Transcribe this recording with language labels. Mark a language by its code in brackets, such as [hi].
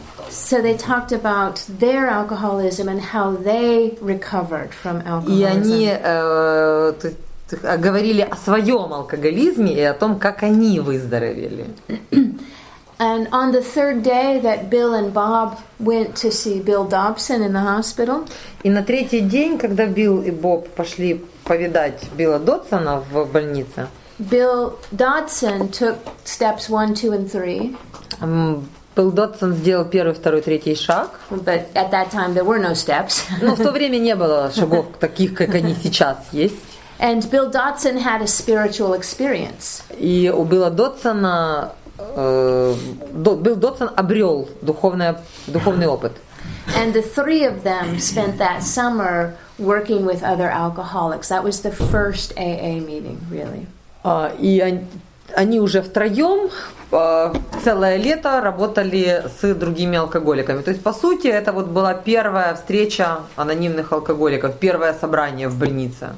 [en] So they talked about their alcoholism and how they recovered from alcoholism. [ru] И они говорили о своем алкоголизме и о том, как они выздоровели. [en] And on the third day that Bill and Bob went to see Bill Dobson in the hospital. [ru] И на третий день, когда Билл и Боб пошли повидать Билла Додсона в больнице. [en] Bill Dodson took steps 1, 2, and 3. [ru] Билл Додсон сделал первый, второй, третий шаг. [en] But at that time there were no steps. [ru] Но в то время не было шагов таких, как они сейчас есть. [en] And Bill Dodson had a spiritual experience. [ru] И у Билла Додсона Билл Додсон обрел духовный опыт. [en] And the three of them spent that summer working with other alcoholics. That was the first AA meeting, really. [ru] И они уже втроем целое лето работали с другими алкоголиками. То есть, по сути, это вот была первая встреча анонимных алкоголиков, первое собрание в больнице.